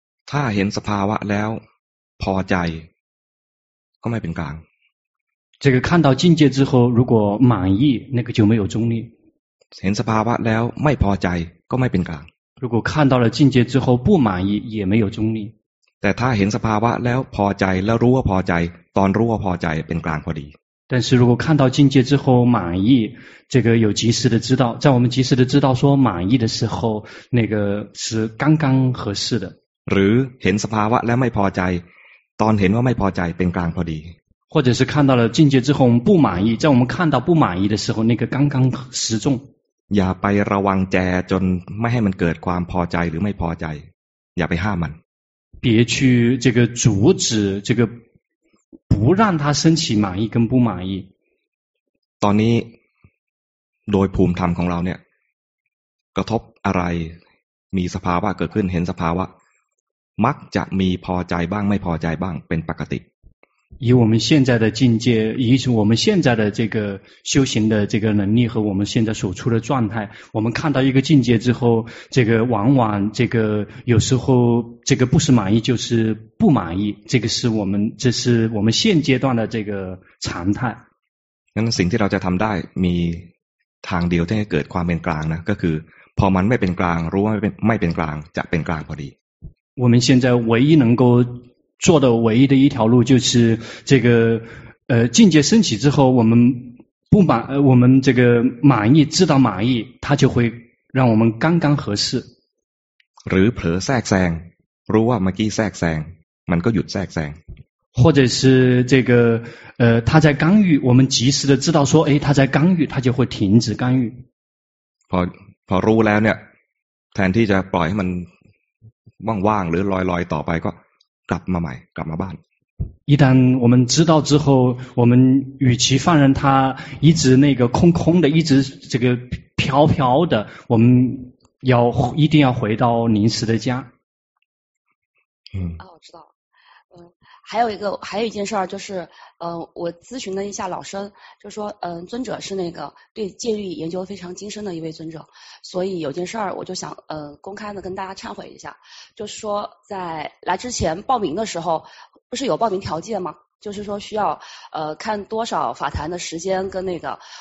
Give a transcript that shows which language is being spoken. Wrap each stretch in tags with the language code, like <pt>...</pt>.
<th>ถ้าเห็นสภาวะแล้วพอใจก็ไม่เป็นกลาง</th> <zh>这个看到境界之后如果满意那个就没有中立</zh> <th>เห็นสภาวะแล้วไม่พอใจก็ไม่เป็นกลาง</th> <zh>如果看到了境界之后不满意也没有中立</zh> <th>แต่ถ้าเห็นสภาวะแล้วพอใจแล้วรู้ว่าพอใจตอนรู้ว่าพอใจเป็นกลางพอดี</th> <zh>但是如果看到境界之后满意，这个有及时的知道，在我们及时的知道说满意的时候，那个是刚刚合适的。</zh> <th>หรือเห็นสภาวะแล้วไม่พอใจตอนเห็นว่าไม่พอใจเป็นกลางพอดี</th> <zh>或者是看到了境界之后不满意，在我们看到不满意的时候，那个刚刚失重。</zh> <th>อย่าไประวังแจจนไม่ให้มันเกิดความพอใจหรือไม่พอใจอย่าไปห้ามมัน</th> <zh>别去这个阻止这个。不让他升起满意跟不满意。</zh> <th>ตอนนี้โดยภูมิธรรมของเราเนี่ยกระทบอะไรมีสภาวะเกิดขึ้นเห็นสภาวะมักจะมีพอใจบ้างไม่พอใจบ้างเป็นปกติ</th> <zh>以我们现在的境界，以我们现在的这个修行的这个能力和我们现在所处的状态，我们看到一个境界之后，这个往往这个有时候这个不是满意就是不满意，这个是我们这是我们现阶段的这个常态。</zh> <th>นั้นสิ่งที่เราจะทำได้มีทางเดียวที่จะเกิดความเป็นกลางนะก็คือพอมันไม่เป็นกลางรู้ว่าไม่เป็นกลางจะเป็นกลางพอดี。</th> <zh>我们现在唯一能够做的唯一的一条路就是这个境界升起之后我们不满我们这个满意知道满意它就会让我们刚刚合适</zh> <th>หรือเผลอแทรกแซงรู้ว่าเมื่อกี้แทรกแซงมันก็หยุดแทรกแซง</th> <zh>或者是这个他在干预我们及时的知道说诶他在干预他就会停止干预</zh> <th>พอรู้แล้วเนี่ยแทนที่จะปล่อยให้มันว่างๆหรือลอยๆต่อไปก็กลับมาใหม่กลับมาบ้าน</th> <zh>一旦我们知道之后我们与其放任它一直那个空空的一直这个飘飘的我们要一定要回到临时的家哦我知道还有一件事儿就是我咨询了一下老师就说尊者是那个对戒律研究非常精深的一位尊者所以有件事儿我就想公开的跟大家忏悔一下就是说在来之前报名的时候不是有报名条件吗就是说需要看多少法坛的时间跟那个</zh>